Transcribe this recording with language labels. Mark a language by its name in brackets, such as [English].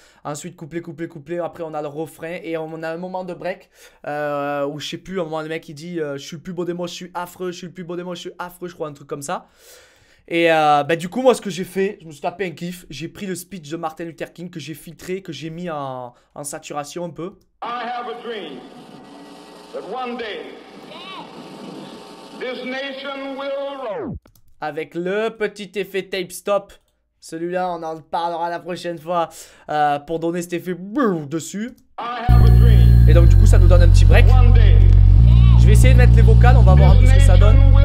[French] Ensuite couplet, couplet, couplet, après on a le refrain. Et on a un moment de break où je sais plus, à un moment le mec il dit je suis le plus beau des mots, je suis affreux, je suis le plus beau des mots, je suis affreux, je crois un truc comme ça. Et bah, du coup moi ce que j'ai fait, je me suis tapé un kiff. J'ai pris le speech de Martin Luther King que j'ai filtré, que j'ai mis en saturation un peu. [English] I have a dream that one day this nation will roll. [French] Avec le petit effet tape stop. Celui-là, on en parlera la prochaine fois pour donner cet effet dessus. Et donc, du coup, ça nous donne un petit break. Je vais essayer de mettre les vocales, on va voir un peu ce que ça donne.